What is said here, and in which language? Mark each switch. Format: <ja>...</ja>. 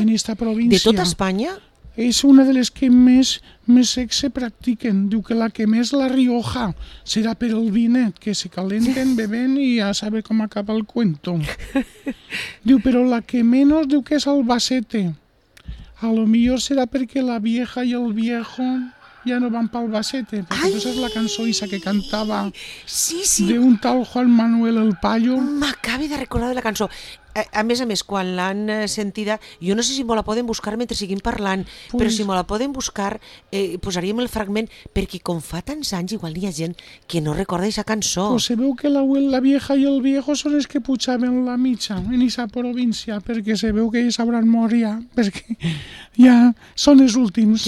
<es>En esta província.</es> <ca>De tota Espanya? És una de les que més sexe practiquen. Diu que la que més, la Rioja, serà per el vinet, que se calenten bevent i ja sabe com acaba el cuento. Diu, però la que menys, diu que és Albacete.</ca> <es>A lo millor será porque la vieja y el viejo ya no van para Albacete. Porque esa es la canción esa que cantaba de un tal Juan Manuel el Payo.</es> <ca>M'acabe de recordar la canción. A més, quan l'han sentida, jo no sé si me la poden buscar mentre siguin parlant, pues, però si me la poden buscar, posaríem el fragment, perquè com fa tants anys, igual hi ha gent que no recorda aquesta cançó. Pues se veu que la vieja i el viejo són els que pujaven la mitja en aquesta província, perquè se veu que ells hauran mort ja, perquè ja són els últims.</ca>